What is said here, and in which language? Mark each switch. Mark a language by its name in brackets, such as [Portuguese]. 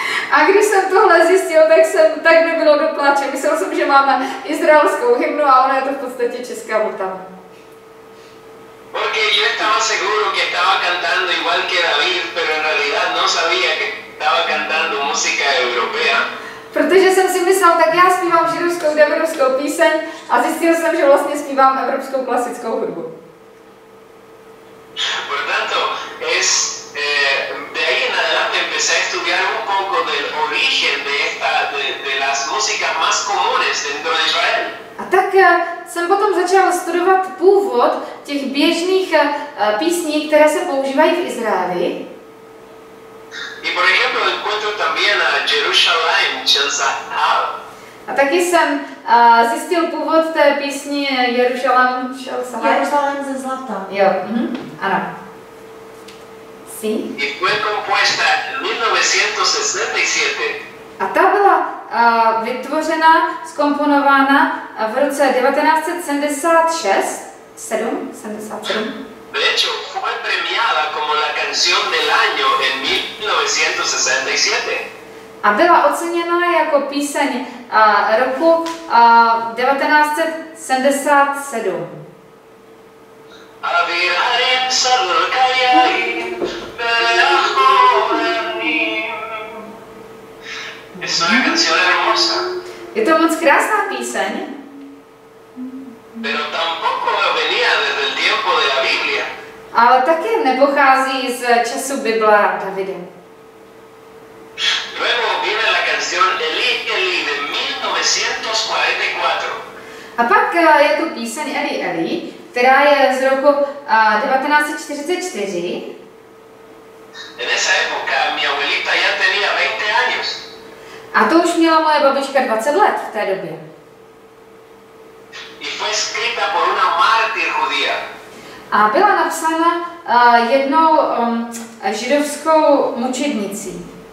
[Czech] A když jsem tohle zjistil, tak jsem tak mi bylo do pláče. Myslel jsem, že máme izraelskou hymnu a ona je to v podstatě česká Vltava. [Spanish] Porque yo estaba seguro que estaba cantando igual que David, pero en realidad no sabía que estaba cantando música europea. [Czech] Protože jsem si myslel, tak já zpívám židovskou davidovskou píseň a zjistil jsem, že vlastně zpívám evropskou klasickou hudbu. [Spanish] Por tanto, es de ahí en adelante empecé a estudiar un poco del origen de las músicas más comunes dentro de Israel. [Czech] A tak jsem potom začal studovat původ těch běžných písní, které se používají v Izraeli. [Spanish] Y por ejemplo, encuentro también a Jerusalem, Shel-Zahav. [Czech] A taky jsem zjistil původ té písni Jerusalem, Shel-Zahav. Jerusalem ze zlata. Jo, ano. Sí. [Spanish] Y fue compuesta en 1967. [Czech] A ta byla vytvořena, zkomponována v roce 1977. [Spanish] De hecho, fue premiada como la canción del año en 1967. [Czech] A byla oceněna jako píseň roku 1977. A vyhrál jen Sadurkajarín, velkou hrným. [Spanish] Es una canción hermosa. [Czech] Je to moc krásná píseň. [Spanish] Pero tampoco venía desde el tiempo de la Biblia. [Czech] Ale také nepochází z času Bible Davida. [Spanish] Luego viene la canción Eli Eli de 1944. [Czech] A pak je tu píseň Eli Eli, která je z roku 1944. [Spanish] En esa época mi abuelita ya tenía 20 años. [Czech] A to už měla moje babička 20 let v té době. [Spanish] Y fue escrita por una mártir judía. [Czech] A byla napsána jednou židovskou mučednicí.